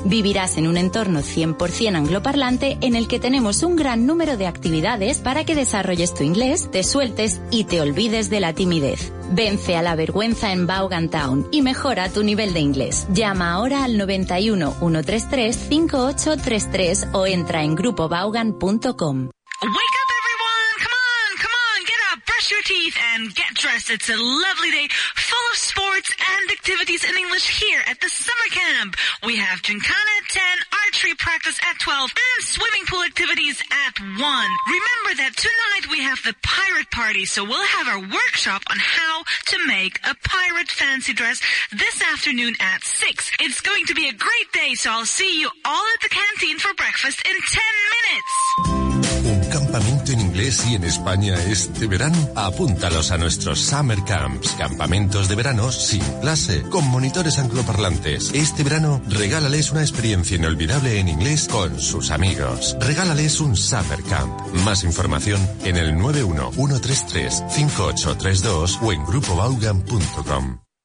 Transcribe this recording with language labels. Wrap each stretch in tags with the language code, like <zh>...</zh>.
<es>Vivirás en un entorno 100% angloparlante en el que tenemos un gran número de actividades para que desarrolles tu inglés, te sueltes y te olvides de la timidez. Vence a la vergüenza en Vaughan Town y mejora tu nivel de inglés. Llama ahora al 91-133-5833 o entra en grupovaughan.com.</es> <en>Wake up, everyone! Come on, get up, brush your teeth and get dressed. It's a lovely day full of sports and activities in English here at the summer camp. We have Gymkhana 10, art archery practice at 12 and swimming pool activities at 1. Remember that tonight we have the pirate party, so we'll have our workshop on how to make a pirate fancy dress this afternoon at 6. It's going to be a great day, so I'll see you all at the canteen for breakfast in 10 minutes.</en> <es>En inglés y en España este verano, apúntalos a nuestros Summer Camps, campamentos de verano sin clase, con monitores angloparlantes. Este verano, regálales una experiencia inolvidable en inglés con sus amigos. Regálales un Summer Camp. Más información en el 91-133-5832 o en grupobaugan.com.</es>